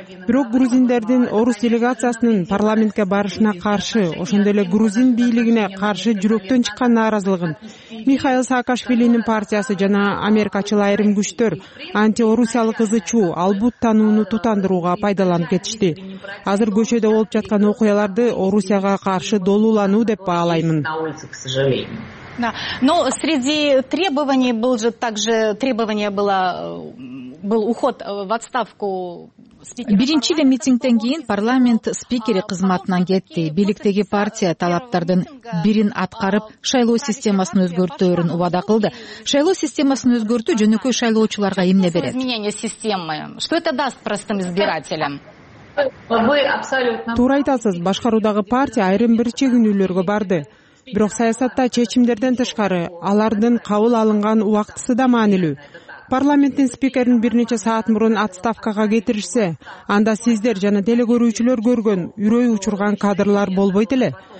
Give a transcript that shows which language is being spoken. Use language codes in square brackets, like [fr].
[ky] Бирок грузиндердин орус делегациясынын парламентке барышына каршы, ошондой эле грузин бийлигине каршы жүрөктөн чыккан нааразылыгын Михаил Саакашвилинин партиясы жана Америкачыл айрым күчтөр антиорусиялык ызычуу, албут тануну тутандырууга пайдаланып кетишти. Азыр көчөдө болуп жаткан окуяларды Орусияга каршы долуулануу деп баалаймын. Да. [ru] Но среди требований был же также требование было был уход в отставку. [ky] Биринчи эле митингден кийин парламент спикери кызматынан кетти. Бийликтеги партия талаптардын бирин аткарып, шайлоо системасын өзгөртөөрүн убада кылды. Шайлоо системасын өзгөртүү жөнөкөй шайлоочуларга эмне берет? [ru] Изменение системы. Что это даст простым избирателям? [ky] Туура айтасыз, башкаруудагы партия айрым бир чегинүүлөргө барды. Бирок саясатта чечимдерден тышкары алардын кабыл алынган убактысы да маанилүү. Парламенттин спикерин бир нече саат мурун отставкага кетиришсе, анда сиздер жана телекөрүүчүлөр көргөн үрөй учурган кадрлар болбойт эле.